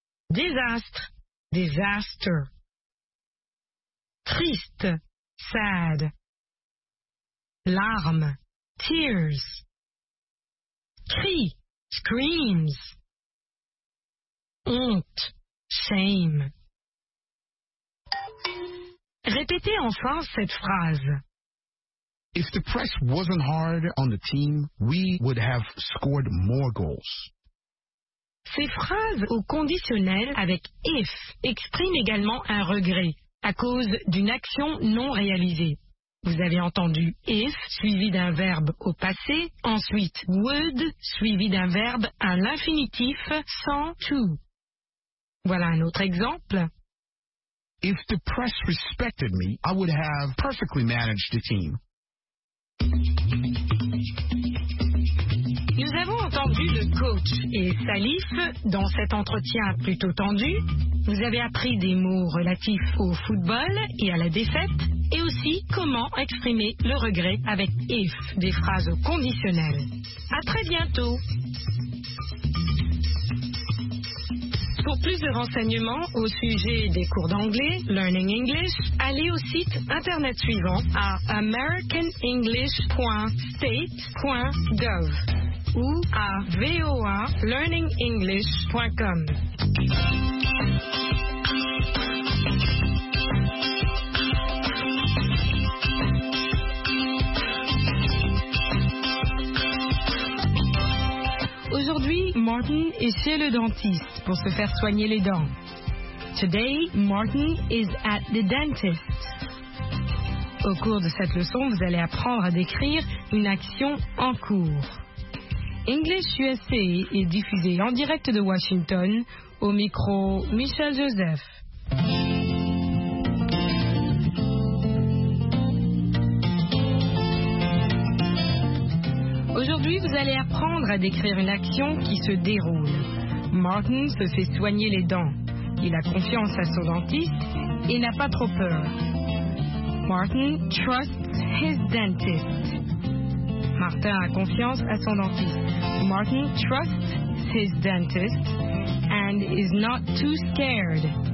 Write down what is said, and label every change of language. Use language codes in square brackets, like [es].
[fr] Désastre. [en] Disaster. [fr] Triste. [en] Sad. [fr] Larmes. [en] Tears. [fr] Cri. [en] Screams. [fr] Honte. [en] Shame. [fr] Répétez enfin cette phrase. [en] If the press wasn't hard on the team, we would have scored more goals. [fr] Ces phrases au conditionnel avec if expriment également un regret à cause d'une action non réalisée. Vous avez entendu if suivi d'un verbe au passé, ensuite would suivi d'un verbe à l'infinitif sans to. Voilà un autre exemple. [en] If the press respected me, I would have perfectly managed the team. [fr] Nous avons entendu le coach et Salif dans cet entretien plutôt tendu. Vous avez appris des mots relatifs au football et à la défaite, et aussi comment exprimer le regret avec if, des phrases au conditionnel. À très bientôt. Pour plus de renseignements au sujet des cours d'anglais, Learning English, allez au site internet suivant à americanenglish.state.gov ou à voalearningenglish.com. Aujourd'hui, Martin est chez le dentiste pour se faire soigner les dents. [en] Today, Martin is at the dentist. [fr] Au cours de cette leçon, vous allez apprendre à décrire une action en cours. English USA est diffusé en direct de Washington au micro Michel Joseph. Aujourd'hui, vous allez apprendre à décrire une action qui se déroule. Martin se fait soigner les dents. Il a confiance à son dentiste et n'a pas trop peur. [en] Martin trusts his dentist. [fr] Martin a confiance à son dentiste. [en] Martin trusts his dentist and is not too scared.